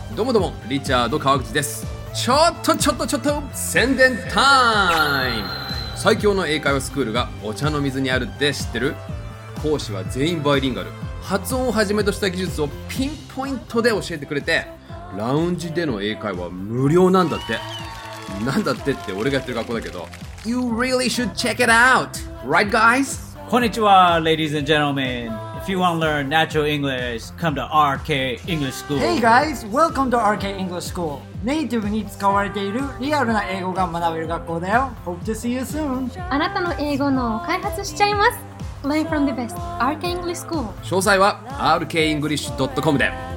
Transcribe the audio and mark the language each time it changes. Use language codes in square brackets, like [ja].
[ja] どうもどうも、リチャード川口です。ちょっと、宣伝タイム。最強の英会話スクールがお茶の水にあるって知ってる？講師は全員バイリンガル。発音をはじめとした技術をピンポイントで教えてくれて、ラウンジでの英会話無料なんだって。なんだってって俺がやってる学校だけど。 [en] You really should check it out, right guys? [ja] こんにちは、 [en] ladies and gentlemen. If you want to learn natural English, come to RK English School. Hey guys, welcome to RK English School. [ja] ネイティブに使われているリアルな英語が学べる学校だよ。 [en] Hope to see you soon. [ja] あなたの英語の開発しちゃいます。 [en] Learn from the best, RK English School. [ja] 詳細は rkenglish.com で。